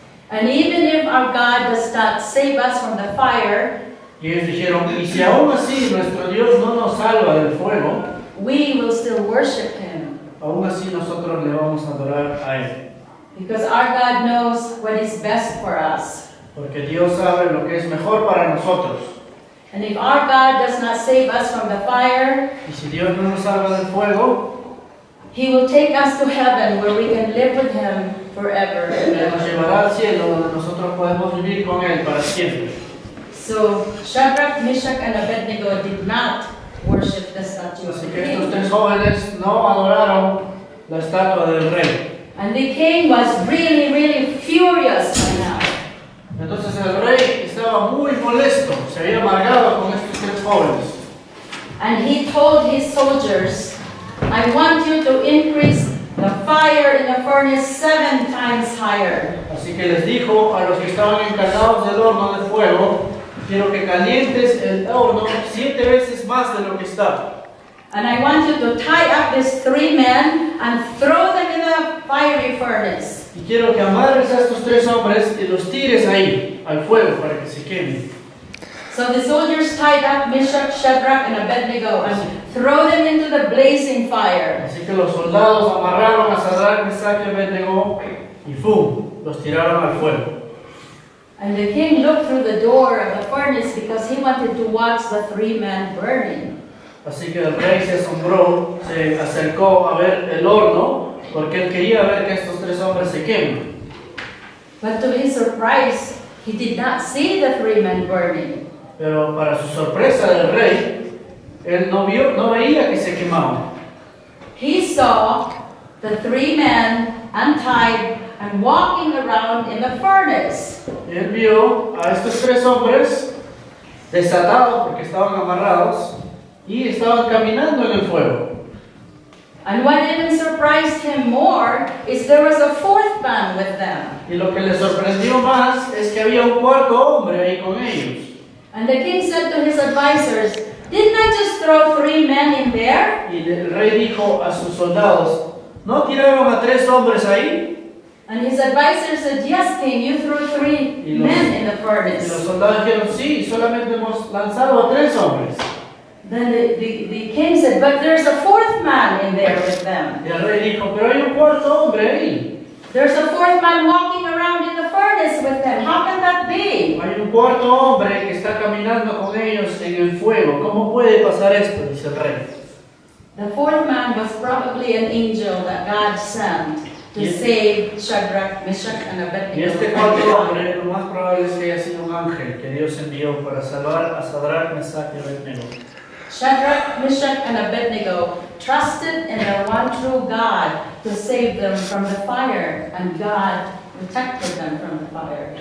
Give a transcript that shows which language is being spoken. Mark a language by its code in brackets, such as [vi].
[en] And even if our God does not save us from the fire, [es] y ellos dijeron, y si aún así nuestro Dios no nos salva del fuego, [en] we will still worship him. [es] Aún así nosotros le vamos a adorar a él. [en] Because our God knows what is best for us. [es] Porque Dios sabe lo que es mejor para nosotros. [en] And if our God does not save us from the fire, [es] y si Dios no nos salva del fuego, [en] he will take us to heaven where we can live with him forever. [es] Nos llevará al cielo donde nosotros podemos vivir con él para siempre. [en] So Shadrach, Meshach, and Abednego did not worship the statue. [es] Así que estos tres jóvenes no adoraron la estatua del rey. [en] And the king was really, really furious by now. [es] Entonces el rey estaba muy molesto, se había amargado con estos tres jóvenes. [en] And he told his soldiers, I want you to increase the fire in the furnace 7 times higher. [es] Así que les dijo a los que estaban encargados del horno de fuego, quiero que calientes el horno 7 veces más de lo que está. [en] And I want you to tie up these 3 men and throw them in the fiery furnace. [es] Y quiero que amarres a estos 3 hombres y los tires ahí, al fuego, para que se quemen. [en] So the soldiers tied up Meshach, Shadrach, and Abednego and throw them into the blazing fire. [es] Así que los soldados amarraron a Shadrach, Meshach, y Abednego y ¡fum!, los tiraron al fuego. [en] And the king looked through the door of the furnace because he wanted to watch the 3 men burning. [es] Así que el rey se asombró, se acercó a ver el horno, porque él quería ver que estos 3 hombres se quemen. [en] But to his surprise, he did not see the 3 men burning. [es] Pero para su sorpresa del rey, él no vio, no veía que se quemaban. [en] He saw the 3 men untied and walking around in the furnace. [es] Y él vio a estos 3 hombres desatados porque estaban amarrados, y estaban caminando en el fuego. [en] And what even surprised him more is there was a 4th man with them. [es] Y lo que le sorprendió más es que había un 4th hombre ahí con ellos. [en] And the king said to his advisors, didn't I just throw 3 men in there? [es] Y el rey dijo a sus soldados, ¿no tiraron a 3 hombres ahí? [en] And his advisors said, yes, king, you threw 3 men in the furnace. [es] Y los soldados dijeron, sí, solamente hemos lanzado a 3 hombres. [en] Then the king said, but there's a 4th man in there with them. [es] Y el rey dijo, pero hay un 4th hombre ahí. [en] There's a 4th man walking around in the furnace with them. How can that be? [es] Hay un 4th hombre que está caminando con ellos en el fuego. ¿Cómo puede pasar esto? Dice el rey. [en] The 4th man was probably an angel that God sent to save Shadrach, Meshach, and Abednego. [es] Y este 4th hombre, lo más probable es que haya sido un ángel que Dios envió para salvar a Shadrach, Meshach, y Abednego. [en] Shadrach, Meshach, and Abednego trusted in their one true God to save them from the fire, and God protected them from the fire.